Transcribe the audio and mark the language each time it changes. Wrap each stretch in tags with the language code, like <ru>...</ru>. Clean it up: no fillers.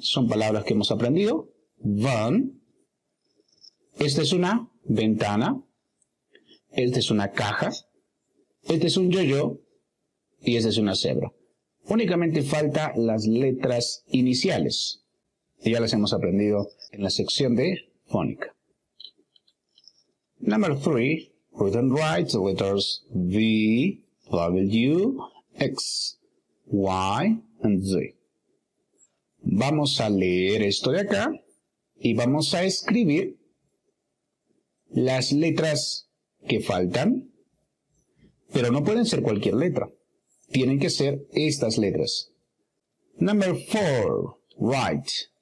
<es>Son palabras que hemos aprendido. Van. Esta es una ventana. Esta es una caja. Este es un yo-yo. Y esta es una cebra. Únicamente falta las letras iniciales. Ya las hemos aprendido en la sección de fónica.</es> <en>Number three, read and write the letters V, W, X, Y, and Z.</en> <es>Vamos a leer esto de acá y vamos a escribir las letras que faltan, pero no pueden ser cualquier letra. Tienen que ser estas letras.</es> <en>Number four, write.</en>